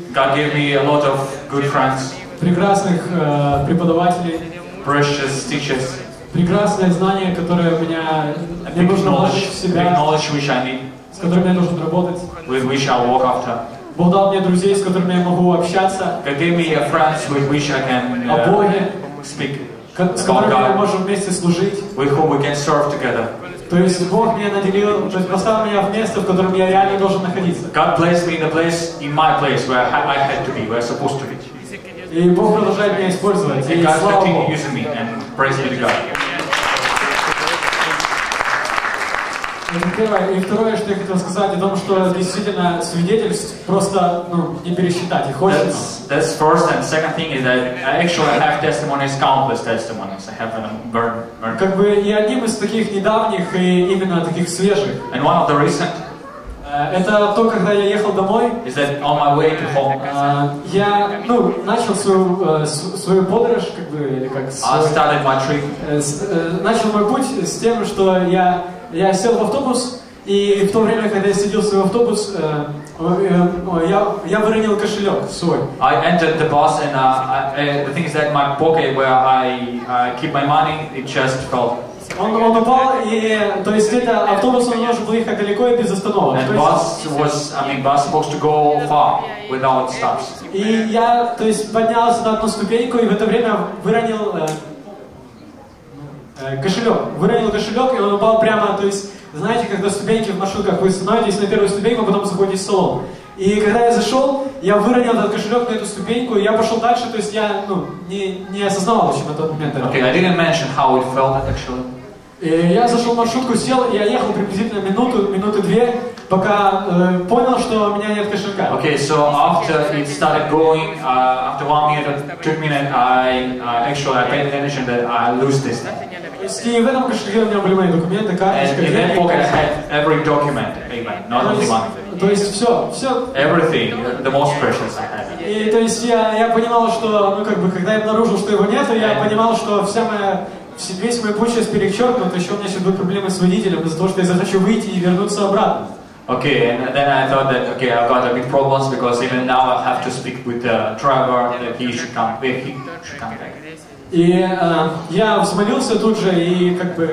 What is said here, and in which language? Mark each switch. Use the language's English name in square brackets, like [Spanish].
[English] God gave me a lot of good friends. [Russian] Прекрасных преподавателей. [English] Precious teachers. [Russian] Прекрасное знание, которое меня мне нужно вложить в себя. [English] Big knowledge which I need. [Russian] С которым мне нужно работать. [English] With which I work after. [Russian] Бог дал мне друзей, с которыми я могу общаться. [English] God gave me a friends with which I can speak. [Russian] С которыми мы можем вместе служить. [English] With whom we can serve together. [Russian] То есть Бог меня наделил, то есть поставил меня в место, в котором я реально должен находиться. [English] God placed me in the place, in my place, where I had to be, where I was supposed to be. [Russian] И Бог продолжает меня использовать. [English] And God continued using me, and praise be to God. [Russian] И второе, что я хотел сказать, о том, что действительно свидетельств просто не пересчитать, их очень много. [English] That's first, and second thing is that actually I have testimonies, countless testimonies. I have them burned. [Russian] Как бы и одним из таких недавних и именно таких свежих. [English] And one of the recent. [Russian] Это то, когда я ехал домой. [English] Is that on my way to home? [Russian] Я начал свою подорож, как бы, или как. [English] I started my trip. [Russian] Начал мой путь с тем, что я сел в автобус, и в то время, когда я сидел в свой автобус, я выронил кошелек свой. [English] I entered the bus, and the thing is that my pocket, where I keep my money, it just fell. [Russian] Он упал, и то есть где-то автобус он должен был ехать далеко и без остановок. [English] And bus supposed to go far without stops. [Russian] И я, то есть, поднялся на одну ступеньку, и в это время выронил кошелек. Выронил кошелек, и он упал прямо, то есть, знаете, когда ступеньки в маршрутках, вы становитесь на первую ступеньку, а потом заходите в салон. И когда я зашел, я выронил этот кошелек на эту ступеньку, и я пошел дальше, то есть я, не осознавал, в общем, этот момент. [English] Okay, I didn't mention how it felt, actually. [Russian] И я зашел в маршрутку, сел, и я ехал приблизительно минуту-две, пока понял, что у меня нет кошелька. [English] Okay, so after it started going, after 1 minute, 2 minutes, I paid attention that I lose this thing. [Russian] И в этом кошельке у меня были мои документы, карточка, деньги. [English] And in that pocket I had every document, amen, not only money. [Russian] То есть все. [English] Everything, the most precious I had. [Russian] И то есть я понимал, что, когда я обнаружил, что его нет, я понимал, что вся моя... Весь мой путь сейчас перечеркнут, еще у меня еще будут проблемы с водителем из-за того, что я захочу выйти и вернуться обратно. [English] Okay, and then I thought that, okay, I've got a big problem, because even now I have to speak with the driver, that he should come back. [Russian] И я взмолился тут же, и как бы...